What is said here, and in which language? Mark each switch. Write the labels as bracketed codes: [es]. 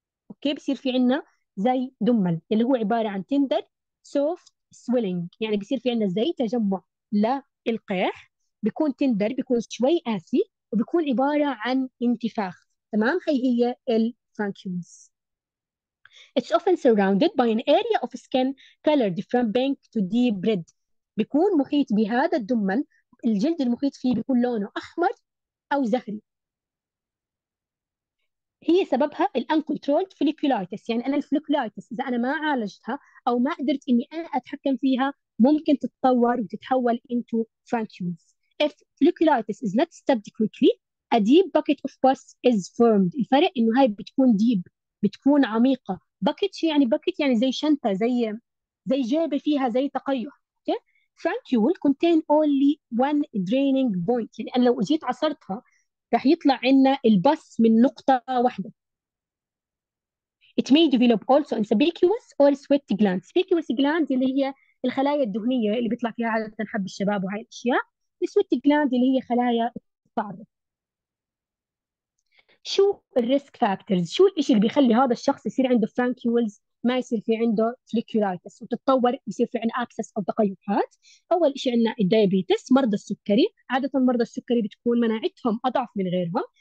[ar] اوكي، بصير في عندنا زي دمل اللي هو عباره عن [en] tender soft swelling, [ar] يعني بصير في عندنا زي تجمع للقيح، بيكون تندر، بيكون شوي قاسي، وبيكون عباره عن انتفاخ. تمام، هي هي ال Frankules. [en] It's often surrounded by an area of skin colored from pink to deep red. [ar] بيكون محيط بهذا الدمل، الجلد المحيط فيه بيكون لونه أحمر أو زهري. هي سببها الـ [en] uncontrolled folliculitis، [ar] يعني أنا الفولليكولايتس إذا أنا ما عالجتها أو ما قدرت إني أنا أتحكم فيها ممكن تتطور وتتحول [en] into Frankules. If folliculitis is not stopped quickly, A deep bucket of pus is formed. [ar] الفرق انه هاي بتكون ديب، بتكون عميقه. باكيت يعني باكيت يعني زي شنطه، زي جيبه فيها زي تقيح. اوكي، [en] furuncle contain only one draining point, [ar] يعني انا لو جيت عصرتها راح يطلع عندنا البس من نقطه واحده. [en] It may develop also in sebaceous or sweat glands. [ar] Sebaceous glands اللي هي الخلايا الدهنيه اللي بيطلع فيها عاده حب الشباب وهاي الاشياء. Sweat glands اللي هي خلايا التعرق. شو الريسك فاكتورز؟ شو الشيء اللي بيخلي هذا الشخص يصير عنده فرانكيولز ما يصير في عنده فليكيولايتس وتتطور يصير في عنده اكسس او تقيحات؟ اول شيء عندنا الدايابيتس، مرضى السكري، عاده مرضى السكري بتكون مناعتهم اضعف من غيرهم.